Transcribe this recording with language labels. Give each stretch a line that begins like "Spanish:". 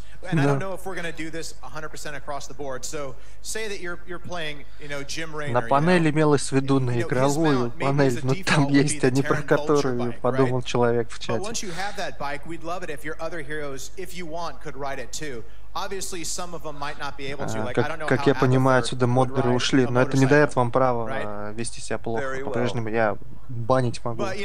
English: And no. I don't know if we're going to do this 100% across the board. So say that you're playing, you know, Jim Raynor.
Russian: На панели имелось в виду на игровую панель, но там есть они, про которую подумал человек в чате.
English: But once you have that bike, we'd love it if your other heroes, if you want, could ride it too. Obviously, some of them might not be able to. Like,
Russian: как я понимаю, отсюда модеры ушли, но это не дает вам права вести себя плохо. По-прежнему я банить могу.